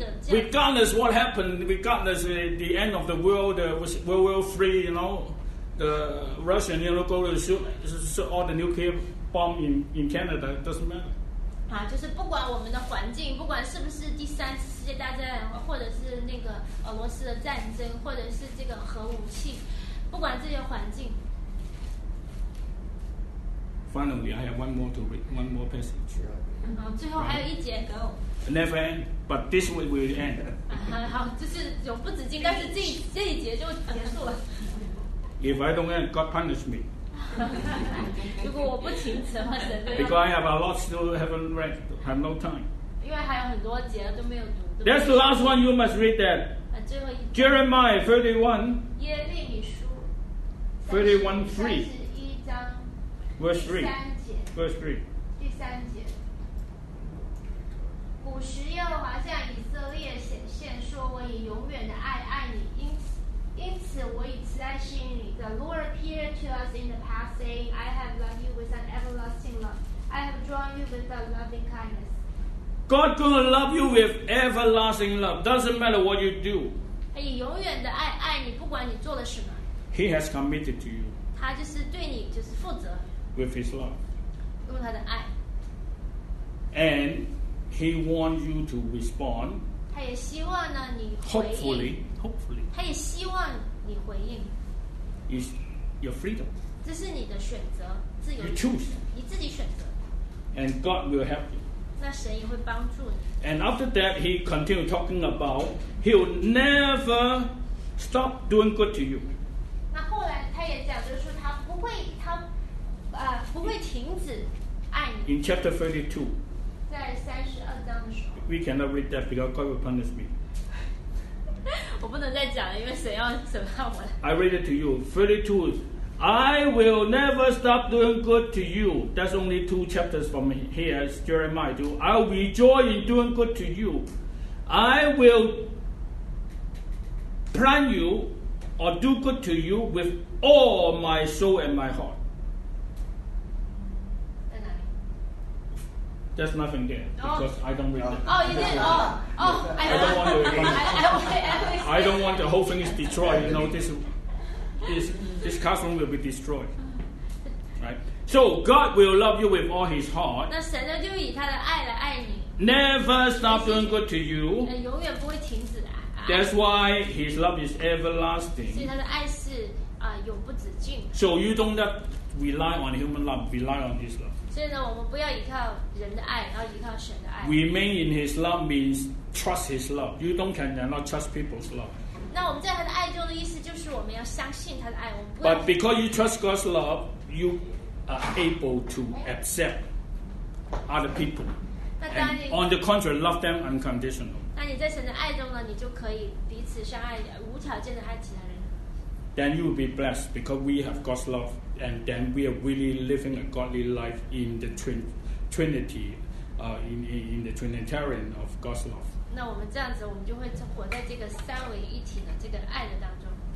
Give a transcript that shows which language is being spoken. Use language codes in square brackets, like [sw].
[en] Regardless what happened, regardless the end of the world, World War III, you know, the Russian, you know, go to shoot all the nuclear bomb in Canada, it doesn't matter. [zh] 啊，就是不管我们的环境，不管是不是第三次世界大战，或者是那个俄罗斯的战争，或者是这个核武器，不管这些环境。 [en] Finally, I have one more to read, one more passage. [zh] 嗯，最后还有一节 ， [en] Go. Never end, but this way will end. [zh] 啊，好，就是永不止境，但是这一节就结束了。 [en] If I don't end, God punish me. [zh] 如果我不停止的话，神就要。 [en] Because I have a lot still haven't read, have no time. [zh] 因为还有很多节都没有读。 [en] That's the last one you must read. That. [zh] 啊，最后一。 [en] Jeremiah 31. [zh] 耶利米书。 [en] 31:3. [zh] 三十一章。 [en] Verse 3. [zh] 第三节。 [en] Verse 3. [zh] 第三节。古时耶和华向以色列显现，说：“我以永远的爱爱你，因此我以慈爱吸引你。 [en] The Lord appeared to us in the past, saying, I have loved you with an everlasting love. I have drawn you with a loving kindness. God is going to love you with everlasting love. Doesn't matter what you do. [zh] 他以永远的爱爱你，不管你做了什么。 [en] He has committed to you. [zh] 他就是对你就是负责。 [en] With his love. [zh] 用他的爱。 [en] And he wants you to respond. [zh] 他也希望呢你回应。 [en] Hopefully. [zh] 他也希望你回应。 [en] It's your freedom. [zh] 这是你的选择，自由。 [en] You choose. [zh] 你自己选择。 [en] And God will help you. [zh] 那神也会帮助你。 [en] And after that, he continued talking about he'll never stop doing good to you. [zh] 那后来他也讲，就是说他不会停止爱你。 [en] In chapter 32. [zh] 在三十二章的时候。 [en] We cannot read that because God will punish me. [zh] 我不能再讲了，因为谁要审判我了。 [en] I read it to you, 32. I will never stop doing good to you. That's only two chapters from here. Jeremiah 2. I'll rejoice in doing good to you. I will plan you or do good to you with all my soul and my heart. [zh] 在哪里？ [en] There's nothing there because I don't read it. Oh, you did. Oh, I don't want to. I don't want the whole thing is destroyed. You know, this classroom will be destroyed. Right? So God will love you with all His heart. [zh] 那神呢就以他的爱来爱你。 [en] Never stop doing good to you. [zh] 永远不会停止的。 [en] That's why His love is everlasting. [zh] 所以他的爱是永不止境。 [en] So you don't have to rely on human love. Rely on His love. [zh] 所以呢，我们不要依靠人的爱，要依靠神的爱。 [en] Remain in His love means. Trust His love. You don't cannot trust people's love. [zh] 那我们在他的爱中的意思就是我们要相信他的爱。 [en] But because you trust God's love, you are able to accept other people. And on the contrary, love them unconditional. [zh] 那你在神的爱中呢，你就可以彼此相爱，无条件的爱其他人。 [en] Then you will be blessed because we have God's love, and then we are really living a godly life in the Trinity. In the Trinitarian of God's love. [zh] 那我们这样子，我们就会活在这个三位一体的这个爱的当中。